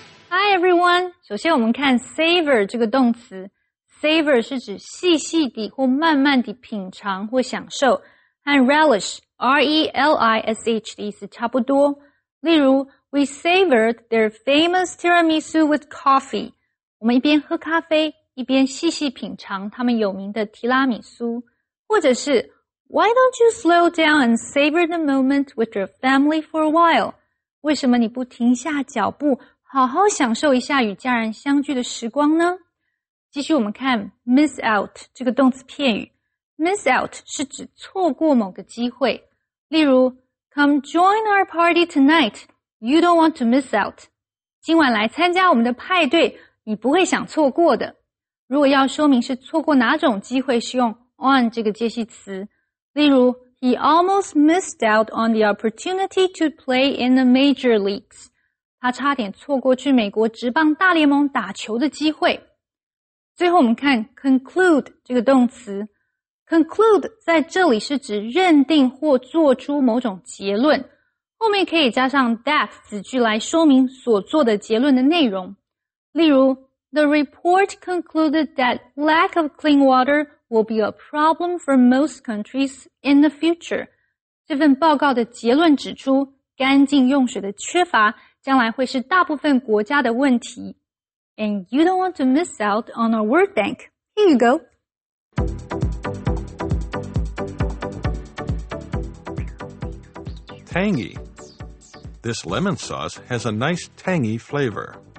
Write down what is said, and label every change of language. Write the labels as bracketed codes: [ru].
[en] Hi everyone! [zh] 首先我们看 savor 这个动词。 Savor 是指细细地或慢慢地品尝或享受。和 relish, R-E-L-I-S-H 的意思差不多。例如 [en] we savored their famous tiramisu with coffee. [zh] 我们一边喝咖啡一边细细品尝他们有名的提拉米苏。或者是 [en] Why don't you slow down and savor the moment with your family for a while? [zh] 为什么你不停下脚步好好享受一下与家人相聚的时光呢？继续我们看 miss out 这个动词片语。Miss out 是指错过某个机会。例如 [en] Come join our party tonight. You don't want to miss out. [zh] 今晚来参加我们的派对你不会想错过的。如果要说明是错过哪种机会是用 on 这个介系词。例如 [en] ,he almost missed out on the opportunity to play in the major leagues. [zh] 他差点错过去美国职棒大联盟打球的机会。最后我们看 conclude 这个动词。conclude 在这里是指认定或做出某种结论。后面可以加上 that 子句来说明所做的结论的内容。例如 [en] ,the report concluded that lack of clean water,will be a problem for most countries in the future. [zh] 这份报告的结论指出，干净用水的缺乏将来会是大部分国家的问题。 [en] And you don't want to miss out on our word bank. Here you go. Tangy. This lemon sauce has a nice tangy flavor.